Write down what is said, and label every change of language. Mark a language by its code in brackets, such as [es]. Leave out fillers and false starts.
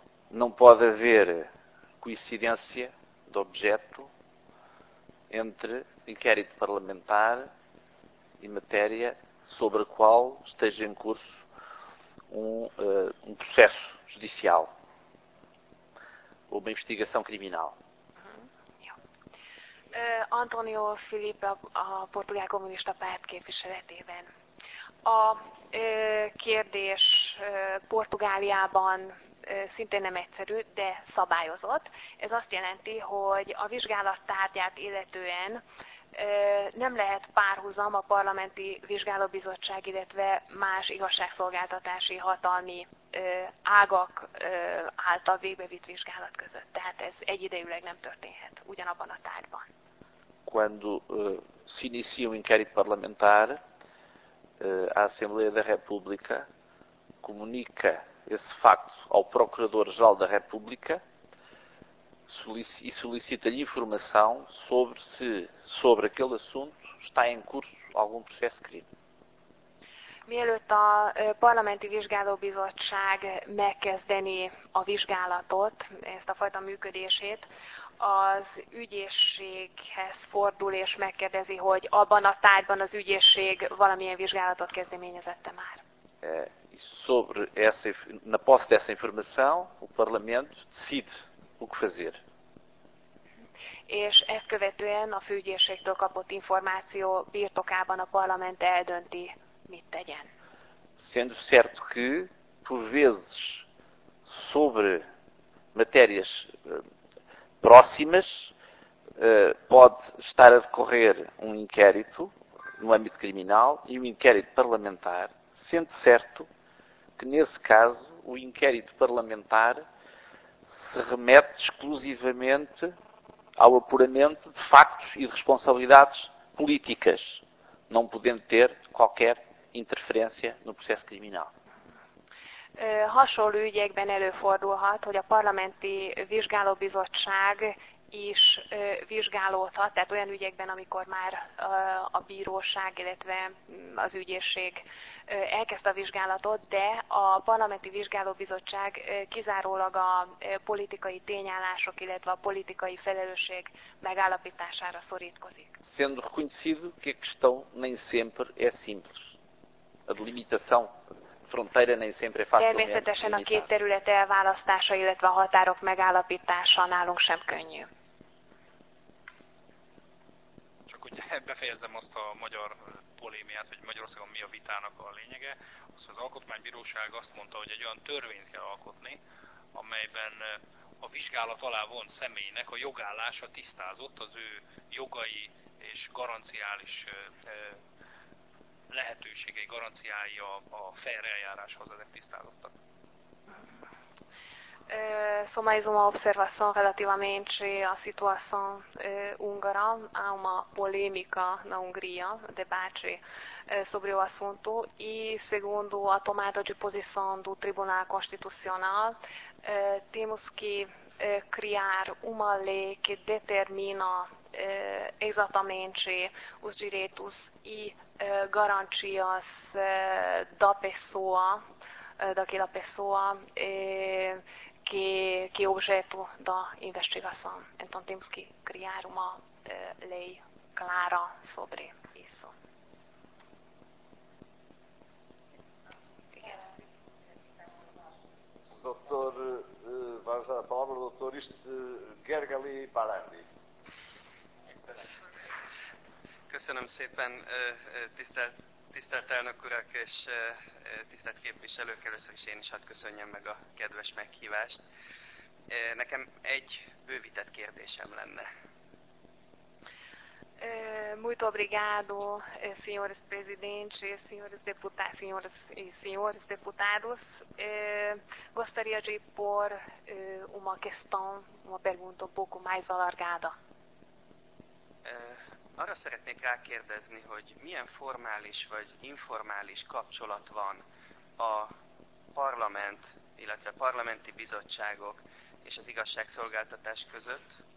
[pt] Não pode haver coincidência de objeto entre inquérito parlamentar e matéria sobre a qual esteja em curso um processo judicial ou uma investigação criminal. [hu] António Filipe, a Portugal Comunista Párt képviseletében. A kérdés Portugáliában szintén nem egyszerű, de szabályozott. Ez azt jelenti, hogy a vizsgálat tárgyát illetően nem lehet párhuzam a parlamenti vizsgálóbizottság, illetve más igazságszolgáltatási hatalmi ágak által végbevitt vizsgálat között. Tehát ez egyidejűleg nem történhet ugyanabban a tárgyban. [pt] Quando se inicia um inquérito parlamentar, a Assembleia da República comunica esse facto ao Procurador-Geral da República e solicita-lhe informação sobre se sobre aquele assunto está em curso algum processo de crime. [hu] Mielőtt a Parlamenti Vizsgálóbizottság megkezdeni a vizsgálatot, ezt a fajta működését, az ügyészséghez fordul és megkérdezi, hogy abban a tárgyban az ügyészség valamilyen vizsgálatot kezdeményezette már. [pt] Sobre essa, na posse dessa informação, o Parlamento decide o que fazer. [hu] És ezt követően a főügyészségtől kapott információ birtokában a Parlament eldönti, mit tegyen. [pt] Sendo certo que, por vezes, sobre matérias próximas, pode estar a decorrer um inquérito no âmbito criminal e um inquérito parlamentar, sendo certo que, nesse caso, o inquérito parlamentar se remete exclusivamente ao apuramento de factos e de responsabilidades políticas, não podendo ter qualquer interferência no processo criminal. [hu] Hasonló ügyekben előfordulhat, hogy a parlamenti vizsgálóbizottság is vizsgálódhat, tehát olyan ügyekben, amikor már a bíróság, illetve az ügyészség elkezdte a vizsgálatot, de a parlamenti vizsgálóbizottság kizárólag a politikai tényállások, illetve a politikai felelősség megállapítására szorítkozik. [pt] Sendo reconhecido que a questão nem sempre é simples. A delimitação fronteira nem sempre é facilmente limitada. [hu] Természetesen a két terület elválasztása, illetve a határok megállapítása nálunk sem könnyű. Csak hogy befejezzem azt a magyar polémiát, hogy Magyarországon mi a vitának a lényege, az, hogy az Alkotmánybíróság azt mondta, hogy egy olyan törvényt kell alkotni, amelyben a vizsgálat alá vont személynek a jogállása tisztázott, az ő jogai és garanciális lehetőségei, garanciái a fair eljáráshoz ezek tisztázottak. [pt] Somáizom a observação relativamente à situação húngara, há uma polêmica na Hungria, debate sobre o assunto, e segundo a tomada de posição do Tribunal Constitucional, temos que criar uma lei que determina exatamente os direitos e garantias da pessoa, daquela pessoa que é objeto da investigação. Então temos que criar uma lei clara sobre isso. Doutor, vamos dar a palavra ao doutor Gergely Parandi. [hu] Köszönöm szépen, tisztelt elnök urak és tisztelt képviselők, először is én is hadd köszönjem meg a kedves meghívást. Nekem egy bővített kérdésem lenne. [pt] Muito obrigado, senhores presidentes, senhores deputados, senhores e senhores deputados. Gostaria de pôr uma questão, uma pergunta um pouco mais alargada. [hu] Arra szeretnék rákérdezni, hogy milyen formális vagy informális kapcsolat van a parlament, illetve parlamenti bizottságok és az igazságszolgáltatás között.